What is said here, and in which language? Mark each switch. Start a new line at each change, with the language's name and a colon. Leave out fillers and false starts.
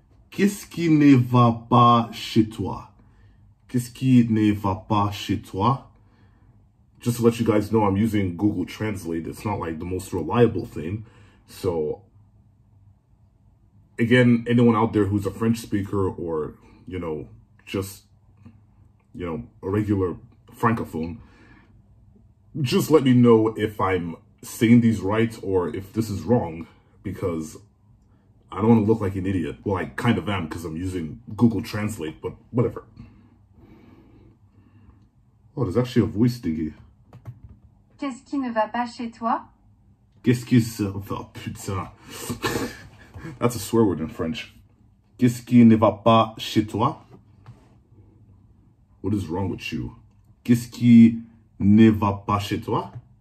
French: Qu'est-ce qui ne va pas chez toi? Qu'est-ce qui ne va pas chez toi?
English: Just to let you guys know, I'm using Google Translate. It's not like the most reliable thing. So, again, anyone out there who's a French speaker or, you know, just, you know, a regular francophone, just let me know if I'm saying these right or if this is wrong, because I don't want to look like an idiot. Well, I kind of am because I'm using Google Translate, but whatever. Oh, there's actually a voice thingy.
French: Qu'est-ce qui ne va pas chez toi? Qu'est-ce qui se...
English: Oh, putain. That's a swear word in French.
French: Qu'est-ce qui ne va pas chez toi?
English: What is wrong with you?
French: Qu'est-ce qui ne va pas chez toi?